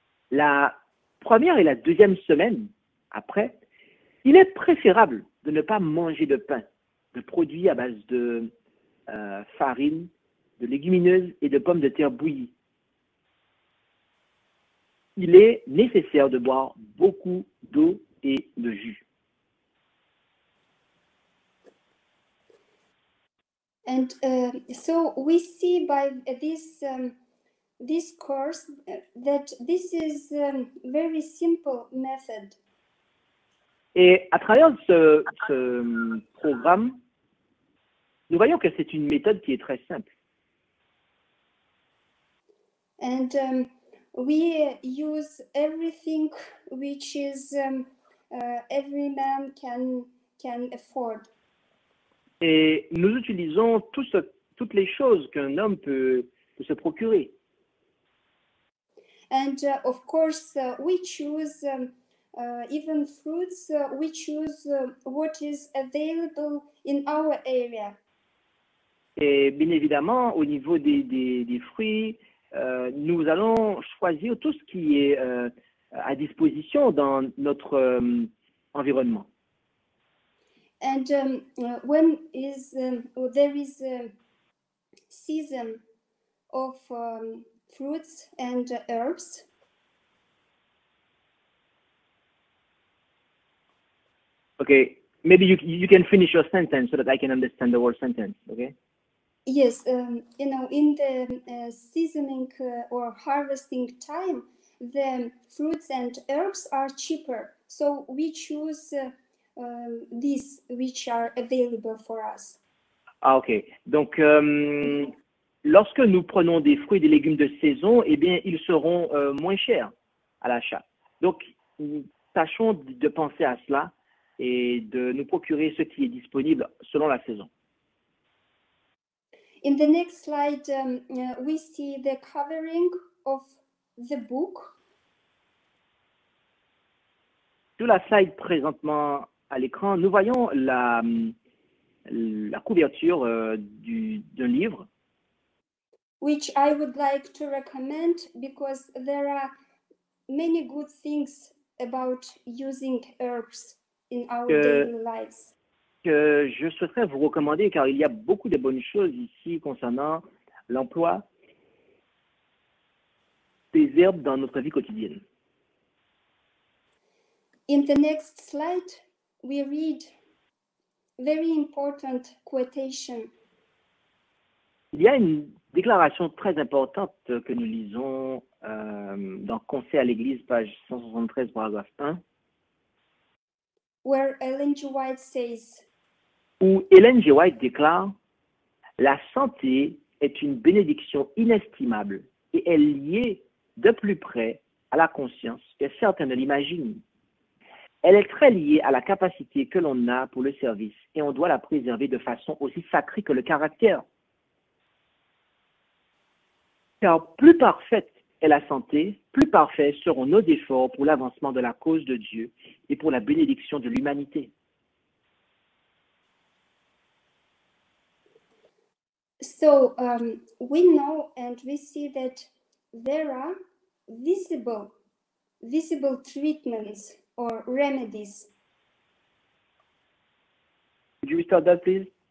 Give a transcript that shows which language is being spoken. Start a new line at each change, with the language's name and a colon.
French: La première et la deuxième semaine après, il est préférable de ne pas manger de pain, de produits à base de farine, de légumineuses et de pommes de terre bouillies. Il est nécessaire de boire beaucoup d'eau et de jus.
English: And so we see by this this course that this is a very simple method.
French: Et à travers ce programme, nous voyons que c'est une méthode qui est très simple.
English: And we use everything which is every man can afford.
French: Et nous utilisons toutes les choses qu'un homme peut se procurer.
English: And of course, we choose even fruits. We choose what is available in our area.
French: Et bien évidemment, au niveau des fruits, nous allons choisir tout ce qui est à disposition dans notre environnement.
English: And when is there is a season of fruits and herbs? Okay, maybe you can finish your sentence so that I can understand the whole sentence. Okay. Yes, you know, in the seasoning or harvesting time, the fruits and herbs are cheaper, so we choose. These which are available for us. Ah, okay.
French: Donc, lorsque nous prenons des fruits et des légumes de saison, eh bien, ils seront moins chers à l'achat. Donc, tâchons de penser à cela et de nous procurer ce qui est disponible selon la saison.
English: In the next slide, we see the covering of the book.
French: Sur la slide présentement à l'écran, nous voyons la couverture d'un livre.
English: Which I would like to recommend because there are many good things about using herbs in our daily lives.
French: Que je souhaiterais vous recommander car il y a beaucoup de bonnes choses ici concernant l'emploi des herbes dans notre vie quotidienne.
English: In the next slide, we read very important quotation.
French: Il y a une déclaration très importante que nous lisons dans Conseil à l'Église, page 173, paragraphe 1.
English: Where Ellen G. White says,
French: où Ellen G. White déclare, la santé est une bénédiction inestimable et est liée de plus près à la conscience que certains ne l'imaginent. Elle est très liée à la capacité que l'on a pour le service et on doit la préserver de façon aussi sacrée que le caractère. Car plus parfaite est la santé, plus parfaits seront nos efforts pour l'avancement de la cause de Dieu et pour la bénédiction de l'humanité.
English: So, we know and we see that there are visible treatments. Or remedies. Could you restart that, please?